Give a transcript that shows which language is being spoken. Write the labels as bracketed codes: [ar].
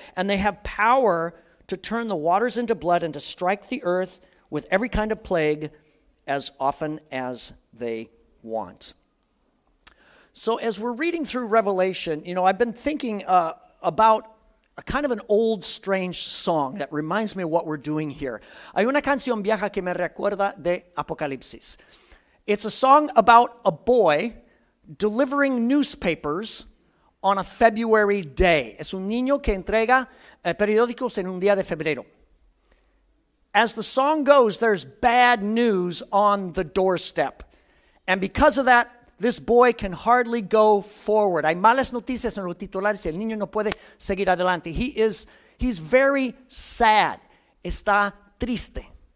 [en] And they have power to turn the waters into blood and to strike the earth with every kind of plague as often as they want. So as we're reading through Revelation, you know, I've been thinking about a kind of an old, strange song that reminds me of what we're doing here. [es] Hay una canción vieja que me recuerda de Apocalipsis. [en] It's a song about a boy delivering newspapers on a February day. [es] Es un niño que entrega periódicos en un día de febrero. [en] As the song goes, there's bad news on the doorstep. And because of that, this boy can hardly go forward. [es] Hay malas noticias en los titulares. El niño no puede seguir adelante. [en] He's very sad. [es] Está triste.